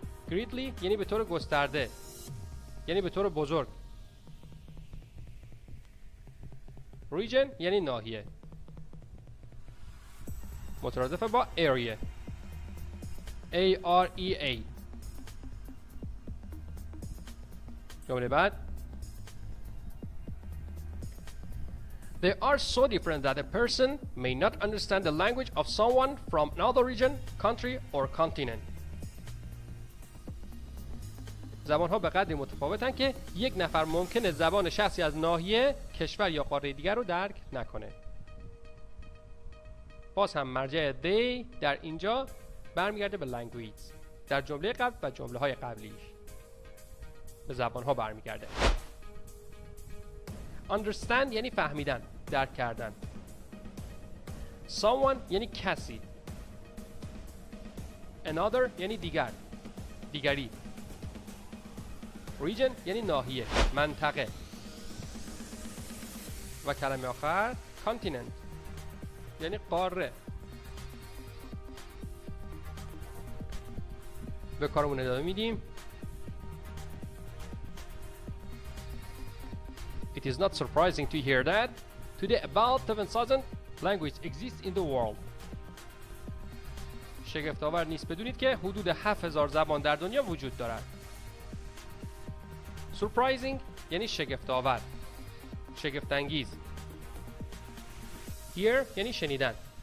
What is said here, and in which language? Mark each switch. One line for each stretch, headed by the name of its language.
Persian: Greatly یعنی به طور گسترده، یعنی به طور بزرگ. Region یعنی ناحیه، مترادف با area، area. جمله بعد،
English: They are so different that a person may not understand the language of someone from another region, country or continent.
Persian: زبان‌ها به قدری متفاوتن که یک نفر ممکنه زبان شخصی از ناحیه، کشور یا قاره دیگر رو درک نکنه. باز هم مرجع they در اینجا برمیگرده به language در جمله قبل و جمله‌های قبلیش. به زبان‌ها برمیگرده. Understand یعنی فهمیدن، درک کردن. Someone یعنی کسی. Another یعنی دیگر، دیگری. Region یعنی ناحیه، منطقه. و کلمه آخر continent یعنی قاره به کارمون ادامه میدیم.
English: It is not surprising to hear that today about 7,000 languages exist in the world.
Persian: شگفت‌آور نیست بدونید که حدود 7000 زبان در دنیا وجود دارد. Surprising یعنی شگفت‌آور. شگفت‌انگیز. Hear یعنی شنیدن.